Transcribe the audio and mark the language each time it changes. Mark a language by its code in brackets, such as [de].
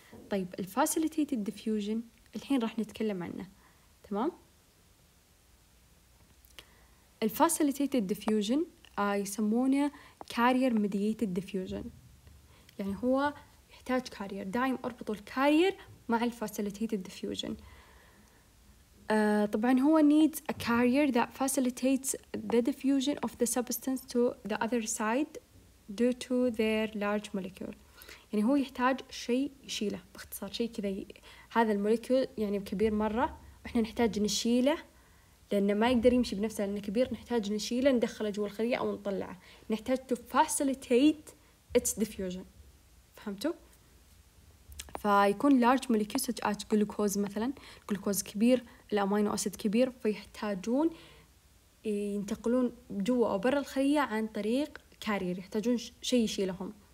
[ar] طيب الفاسيليتيتد ديفيوجن الحين راح نتكلم عنه تمام. الفاسيليتيتد ديفيوجن يسمونه كارير ميديتد ديفيوجن، يعني هو يحتاج كارير دايم اربطه الكارير مع الفاسيليتيتد ديفيوجن. طبعا هو [en] needs a carrier that facilitates the diffusion of the substance to the other side due to their large molecule. [ar] يعني هو يحتاج شيء يشيله باختصار، شيء كذا هذا الموليكيول يعني كبير مره احنا نحتاج نشيله لانه ما يقدر يمشي بنفسه لانه كبير، نحتاج نشيله ندخله جوا الخلية او نطلعه، نحتاج [en] to facilitate its diffusion. [ar] فهمتوا؟ فيكون [en] large molecules such as glucose [ar] مثلا، glucose كبير، الامينو اسيد كبير، فيحتاجون ينتقلون جوا او برا الخلية عن طريق carrier، يحتاجون شيء يشيلهم.